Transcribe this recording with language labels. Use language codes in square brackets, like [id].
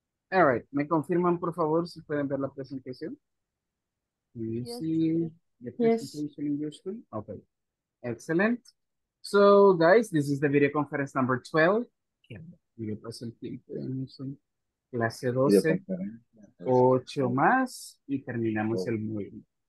[es] All right, ¿me confirman por favor si pueden ver la presentación? [en] Can you see the presentation in your screen? Okay, excellent. So, guys, this is the video conference number 12. Video presentation, [es] clase 12, 8 más y terminamos el módulo.